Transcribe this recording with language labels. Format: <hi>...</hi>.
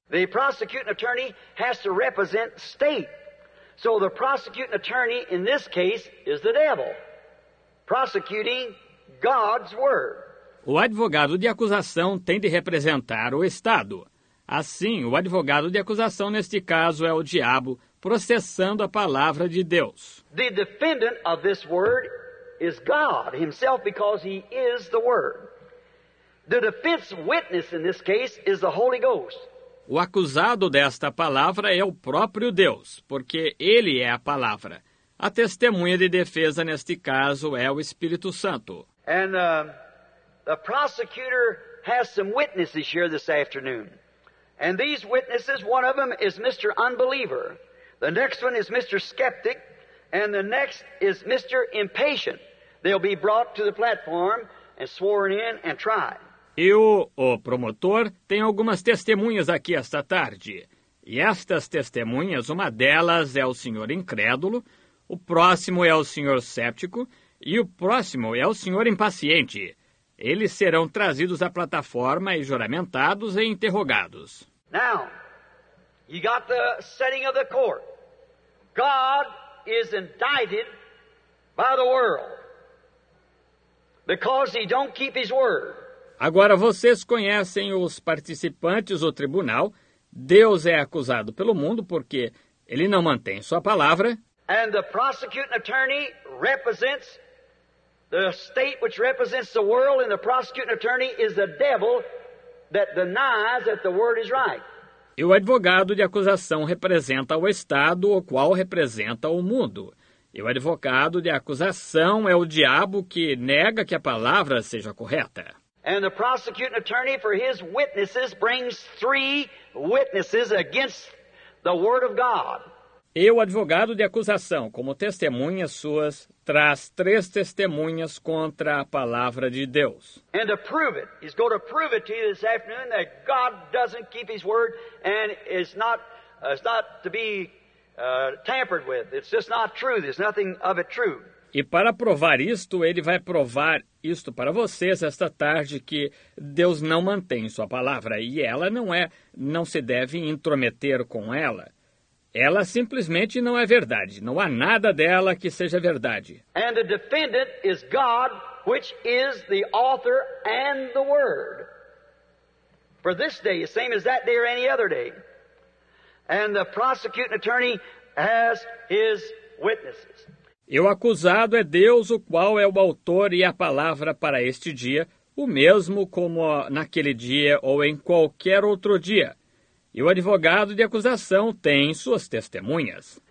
<en>The prosecuting attorney has to represent state. So the prosecuting attorney in this case is the devil, prosecuting God's word.</en> <pt>O advogado de acusação tem de representar o Estado. Assim, o advogado de acusação neste caso é o diabo, processando a palavra de Deus.</pt> <en>The defendant of this word is God himself because he is the word. The defense witness in this case is the Holy Ghost.</en> <pt>O acusado desta palavra é o próprio Deus, porque ele é a palavra. A testemunha de defesa neste caso é o Espírito Santo.</pt> <en>And the prosecutor has some witnesses here this afternoon. And these witnesses, one of them is Mr. Unbeliever. The next one is Mr. Skeptic. And the next is Mr. Impatient. They'll be brought to the platform and sworn in and tried.</en> <pt>Eu, o promotor, tenho algumas testemunhas aqui esta tarde. E estas testemunhas, uma delas é o senhor incrédulo, o próximo é o senhor cético e o próximo é o senhor impaciente. Eles serão trazidos à plataforma e juramentados e interrogados.</pt> <en>Now, you got the setting of the court. God is indicted by the world because he don't keep his word.</en> <pt>Agora vocês conhecem os participantes do tribunal. Deus é acusado pelo mundo porque ele não mantém sua palavra.</pt> <en>And the prosecuting attorney represents the state which represents the world, and the prosecuting attorney is the devil that denies that the word is right.</en> <pt>E o advogado de acusação representa o Estado, o qual representa o mundo. E o advogado de acusação é o diabo que nega que a palavra seja correta.</pt> <en>And the prosecuting attorney for his witnesses brings three witnesses against the word of God.</en> <pt>E o advogado de acusação, como testemunhas suas, traz três testemunhas contra a palavra de Deus.</pt> <en>And to prove it, he's going to prove it to you this afternoon that God doesn't keep his word and is not to be tampered with. It's just not true. There's nothing of it true.</en> <pt>E para provar isto, ele vai provar isto para vocês esta tarde, que Deus não mantém sua palavra e ela não se deve intrometer com ela. Ela simplesmente não é verdade. Não há nada dela que seja verdade.</pt> <en>And the defendant is God, which is the author and the word. For this day, the same as that day or any other day. And the prosecuting attorney has his witnesses.</en> <pt>E o acusado é Deus, o qual é o autor e a palavra para este dia, o mesmo como naquele dia ou em qualquer outro dia. E o advogado de acusação tem suas testemunhas.</pt>